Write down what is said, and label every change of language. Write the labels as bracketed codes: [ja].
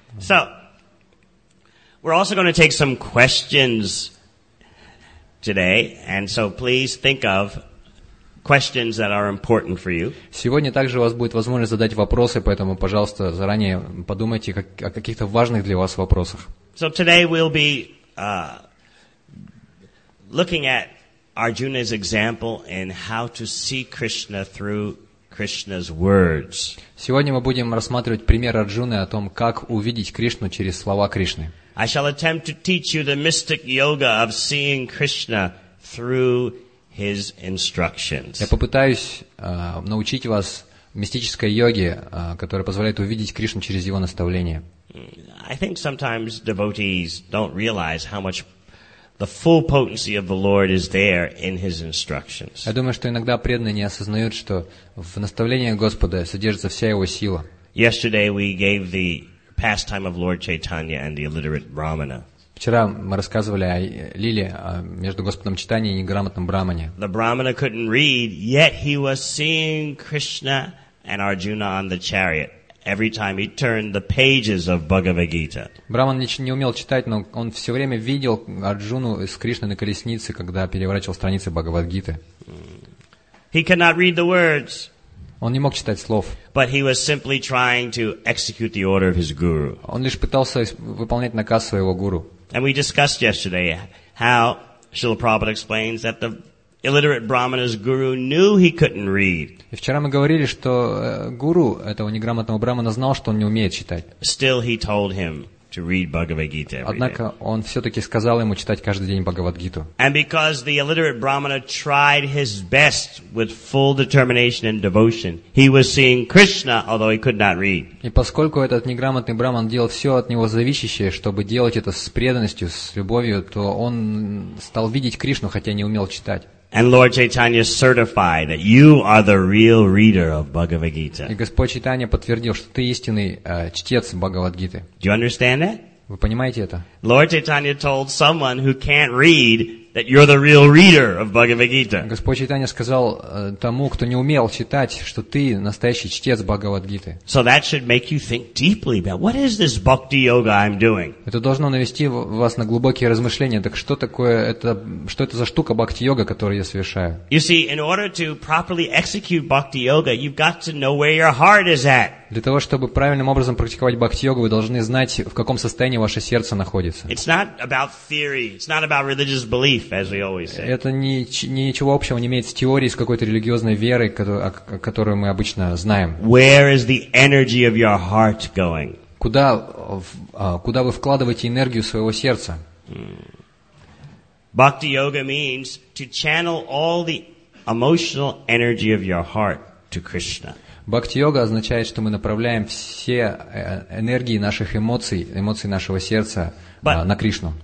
[en] So, we're also going to take some questions today, and so please think of questions that are important for you. [ru] Сегодня также у вас будет возможность задать вопросы, поэтому, пожалуйста, заранее подумайте о каких-то важных для вас вопросах. [en] So today we'll be looking at Arjuna's example in how to see Krishna through Krishna's words. [ru] Сегодня мы будем рассматривать пример Арджуны о том, как увидеть Кришну через слова Кришны. [en] I shall attempt to teach you the mystic yoga of seeing Krishna through his instructions. [ru] Я попытаюсь научить вас мистической йоге, которая позволяет увидеть Кришну через его наставления. [en] I think sometimes devotees don't realize how much the full potency of the Lord is there in his instructions. [ru] Я думаю, что иногда преданные не осознают, что в наставлениях Господа содержится вся его сила. [en] Yesterday we gave the pastime of Lord Chaitanya and the illiterate Brahmana. [ru] Вчера мы рассказывали о лиле между Господом Чайтанья и неграмотным Брахмане. [en] The Brahmana couldn't read, yet he was seeing Krishna and Arjuna on the chariot every time he turned the pages of Bhagavad Gita. [ru] Брахман не умел читать, но он все время видел Арджуну с Кришной на колеснице, когда переворачивал страницы Бхагавад-гиты. [en] He cannot read the words. [ru] Он не мог читать слов. [en] But he was simply trying to execute the order of his guru. [ru] Он лишь пытался выполнять наказ своего гуру. [en] And we discussed yesterday how Srila Prabhupada explains that the illiterate Brahmana's guru knew he couldn't read. [ru] И вчера мы говорили, что гуру этого неграмотного Брахмана знал, что он не умеет читать. [en] Still he told him to read Bhagavad Gita every day. [ru] Однако он все-таки сказал ему читать каждый день Бхагавад-гиту. [en] And because the illiterate Brahmana tried his best with full determination and devotion, he was seeing Krishna, although he could not read. [ru] И поскольку этот неграмотный Брахман делал все от него зависящее, чтобы делать это с преданностью, с любовью, то он стал видеть Кришну, хотя не умел читать. [en] And Lord Chaitanya certified that you are the real reader of Bhagavad Gita. [ru] И Господь Чайтанья подтвердил, что ты истинный чтец Бхагавад-гиты. [en] Do you understand that? [ru] Вы понимаете это? [en] Lord Chaitanya told someone who can't read that you're the real reader of Bhagavad Gita. [ru] Господь Чайтанья сказал тому, кто не умел читать, что ты настоящий чтец Бхагавад-гиты. [en] So that should make you think deeply about what is this bhakti yoga I'm doing. [ru] Это должно навести вас на глубокие размышления. Так что такое это, что это за штука бхакти йога, которую я совершаю? [en] You see, in order to properly execute bhakti yoga, you've got to know where your heart is at. [ru] Для того, чтобы правильным образом практиковать бхакти-йогу, вы должны знать, в каком состоянии ваше сердце находится. [en] It's not about theory. It's not about religious belief, as we always say. [ru] Это ничего общего не имеет с теорией, с какой-то религиозной верой, которую мы обычно знаем. [en] Where is the energy of your heart going? [ru] Куда вы вкладываете энергию своего сердца? [en] Бхакти-йога means to channel all the emotional energy of your heart to Krishna. [ru] Бхакти-йога означает, что мы направляем все энергии наших эмоций нашего сердца на Кришну.